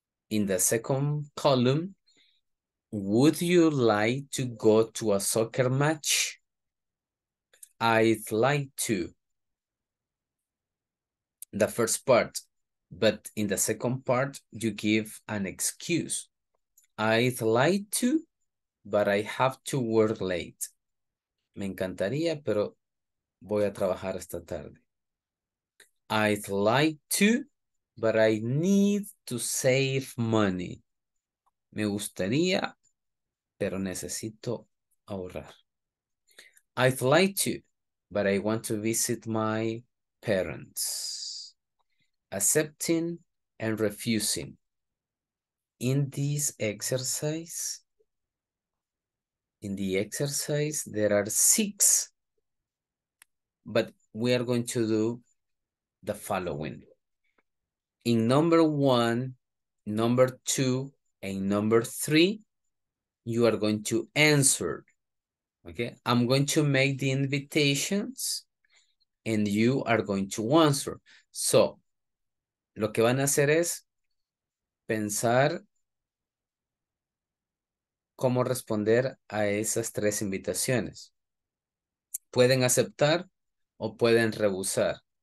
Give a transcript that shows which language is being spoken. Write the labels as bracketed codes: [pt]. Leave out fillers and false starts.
[en] In the second column, would you like to go to a soccer match? I'd like to. The first part, but in the second part, you give an excuse. I'd like to, but I have to work late. [es] Me encantaría, pero voy a trabajar esta tarde. [en] I'd like to, but I need to save money. [es] Me gustaría, pero necesito ahorrar. [en] I'd like to, but I want to visit my parents. Accepting and refusing. In this exercise, there are 6, but we are going to do the following. In number 1, number 2, and number 3, you are going to answer. Okay, I'm going to make the invitations and you are going to answer. [es] So, lo que van a hacer es pensar cómo responder a esas 3 invitaciones. Pueden aceptar o pueden rehusar.